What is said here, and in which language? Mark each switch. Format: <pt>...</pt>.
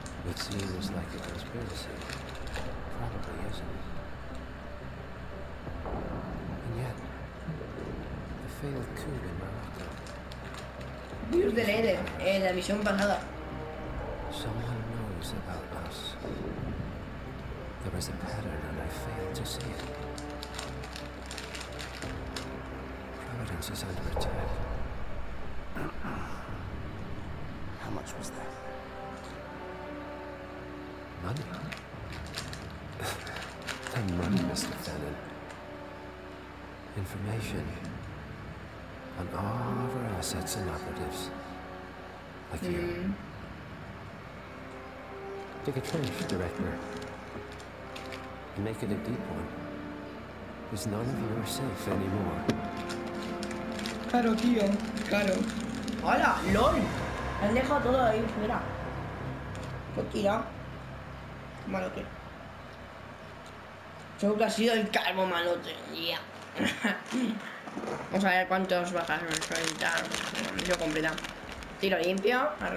<en>It seems like a conspiracy. Probably isn't. And yet, the failed coup in Morocco.</en> <es>Dios del Eden, la misión pasada.</es> <en>Someone knows about us. There was a pattern and I failed to see it. Providence is under attack. How much was that? Money. The money, Mr. Fennin. Information on all of our assets and operatives. Like you. Take a trench, Director. And make it a deep one. Because none of you are safe anymore.</en> <es>Claro, tío. Claro. ¡Hala! ¡LOL! Han dejado todo ahí, mira. Lo tira. Malote. Creo que ha sido el calvo malote. Ya. Vamos a ver cuántos bajas me suelen dar. Yo completa. Tiro limpio.</es>